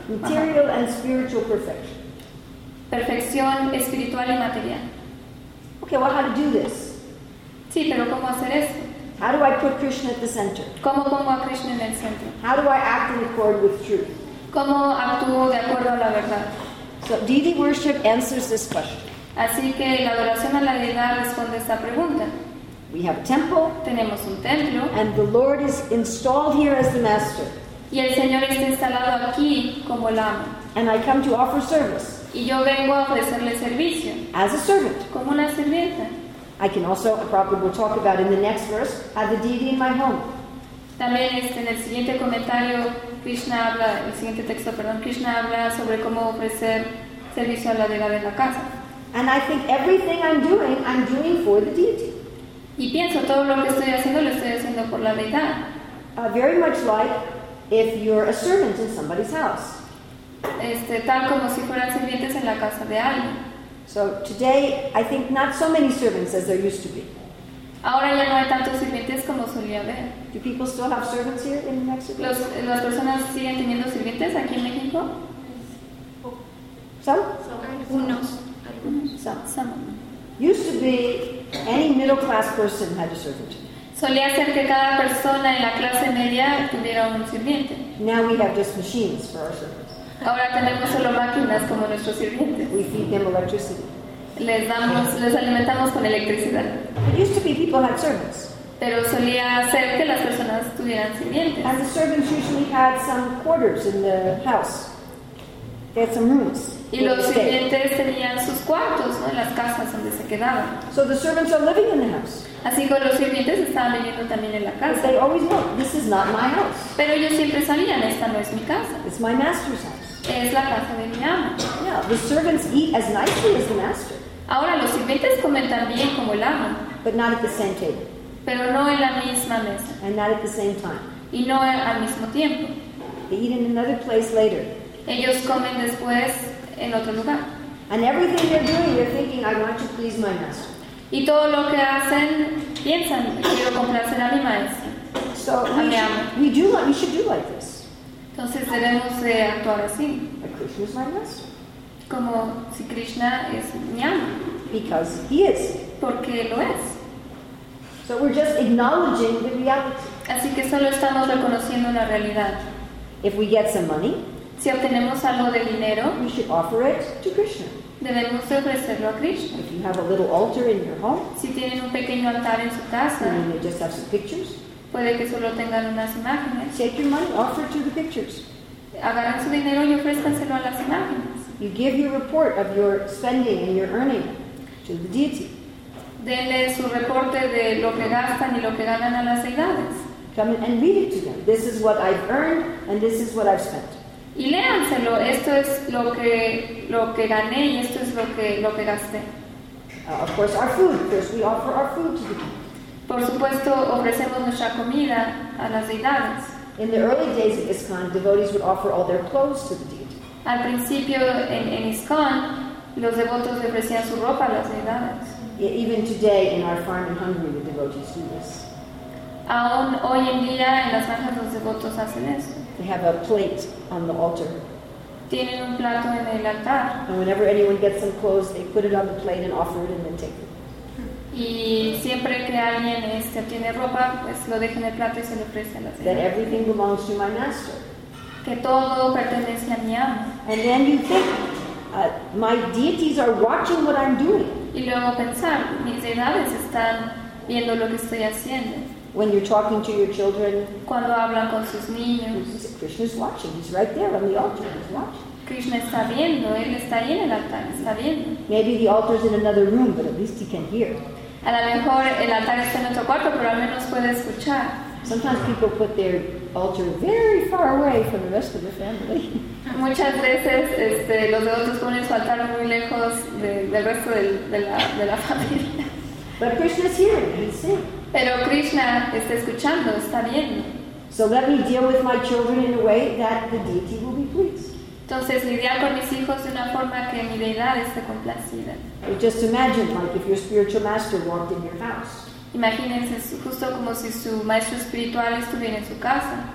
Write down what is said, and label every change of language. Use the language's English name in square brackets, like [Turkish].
[English] Material and spiritual perfection. [Spanish] Perfección espiritual y material. [English] Okay, well, how to do this? [Spanish] Sí, pero ¿cómo hacer esto? [English] How do I put Krishna at the center? [Spanish] ¿Cómo pongo a Krishna en el centro? [English] How do I act in accord with truth? [Spanish] ¿Cómo actúo de acuerdo a la verdad? [English] So, deity worship answers this question. [Spanish] Así que la adoración a la deidad responde esta pregunta. [English] We have a temple. [Spanish] Tenemos un templo. [English] And the Lord is installed here as the master. [Spanish] Y el Señor está instalado aquí como el amo. [English] And I come to offer service. [Spanish] Y yo vengo a ofrecerle servicio. [English] As a servant. [Spanish] Como una sirvienta. [English] I can also, probably we'll talk about in the next verse, have the deity in my home. [Spanish] También en el siguiente comentario, Krishna habla sobre cómo ofrecer servicio a la deidad en la casa. [English] And I think everything I'm doing for the deity. [Spanish] Y pienso, todo lo que estoy haciendo, lo estoy haciendo por la deidad. [English] Very much like if you're a servant in somebody's house. [Spanish] Tal como si fueran sirvientes en la casa de alguien. [English] So today, I think not so many servants as there used to be. [Spanish] Ahora ya no hay tantos sirvientes como solía haber. [English] Do people still have servants here in Mexico? [Spanish] ¿Las personas siguen teniendo sirvientes aquí en México? [English] Some. Used to be any middle class person had a servant. [Spanish] Solía ser que cada persona en la clase media tuviera un sirviente. [English] Now we have just machines for our servants. [Spanish] Ahora tenemos solo máquinas como nuestros sirvientes. [English] We feed them electricity. [Spanish] Les alimentamos con electricidad. [English] It used to be people had servants. [Spanish] Pero solía ser que las personas tuvieran sirvientes. [English] And the servants usually had some quarters in the house. They had some rooms. [Spanish] Y los sirvientes tenían sus cuartos, ¿no? En las casas donde se quedaban. [English] So the servants are living in the house. [Spanish] Así que los sirvientes estaban viviendo también en la casa. [English] But they always know, this is not my house. [Spanish] Pero ellos siempre sabían, esta no es mi casa. [English] It's my master's house. [Spanish] Es la casa de mi amo. [English] Yeah, the servants eat as nicely as the master. [Spanish] Ahora los sirvientes comen tan bien como el amo. [English] But not at the same table. [Spanish] Pero no en la misma mesa. [English] And not at the same time. [Spanish] Y no al mismo tiempo. [English] They eat in another place later. [Spanish] Ellos comen después. En otro lugar. [English] And everything they're doing, they're thinking, I want to please my master. [Spanish] Y todo lo que hacen, piensan, quiero complacer a mi maestro. [English] So we should do like this. [Spanish] Entonces debemos de actuar así. [English] But Krishna is my master. [Spanish] Como si Krishna es mi amo. [English] Because he is. [Spanish] Porque lo es. [English] So we're just acknowledging the reality. [Spanish] Así que solo estamos reconociendo la realidad. [English] If we get some money. [Spanish] Si obtenemos algo de dinero, [English] we should offer it to Krishna. [Spanish] Debemos ofrecerlo a Krishna. [English] If you have a little altar in your home, [Spanish] si tienen un pequeño altar en su casa, [English] you may just have some pictures. [Spanish] Puede que solo tengan unas imágenes. [English] Take your money, offer it to the pictures. [Spanish] Agarran su dinero y ofrézcanselo a las imágenes. [English] You give your report of your spending and your earning to the deity. [Spanish] Denle su reporte de lo que gastan y lo que ganan a las deidades. [English] Come and read it to them. This is what I've earned and this is what I've spent. [Spanish] Y léanselo, esto es lo que gané y esto es lo que gasté. [English] Of course, our food, because we offer our food to the deity. [Spanish] Por supuesto, ofrecemos nuestra comida a las deidades. [English] In the early days of ISKCON, devotees would offer all their clothes to the deity. [Spanish] Al principio, en ISKCON, los devotos le ofrecían su ropa a las deidades. [English] Even today, in our farm in Hungary, the devotees do this. [Spanish] Aún hoy en día, en las granjas, los devotos hacen eso. [English] They have a plate on the altar. [Spanish] Tienen un plato en el altar. [English] And whenever anyone gets some clothes, they put it on the plate and offer it and then take it. [Spanish] Y siempre que alguien tiene ropa, pues lo deja en el plato y se lo ofrece a la señora. [English] That everything belongs to my master. [Spanish] Que todo pertenece a mi amo. [English] And then you think, my deities are watching what I'm doing. [Spanish] Y luego pensar, mis deidades están viendo lo que estoy haciendo. [English] When you're talking to your children, [Spanish] cuando hablan con sus niños, [English] Krishna is watching. He's right there on the altar. He's watching. [Spanish] Krishna está viendo, él está ahí en el altar, está viendo. [English] Maybe the altar is in another room, but at least he can hear. [Spanish] A lo mejor el altar está en otro cuarto, pero al menos puede escuchar. [English] Sometimes people put their altar very far away from the rest of the family. [Spanish] Muchas veces, los devotos ponen su altar muy lejos del resto de la familia. [English] But Krishna is here, he's seeing. [Spanish] Pero Krishna está escuchando, está viendo. [English] So let me deal with my children in a way that the deity will be pleased. [Spanish] Entonces, lidiar con mis hijos de una forma que mi deidad esté complacida. [English] Or just imagine, like if your spiritual master walked in your house. [Spanish] Imagínense justo como si su maestro espiritual estuviera en su casa.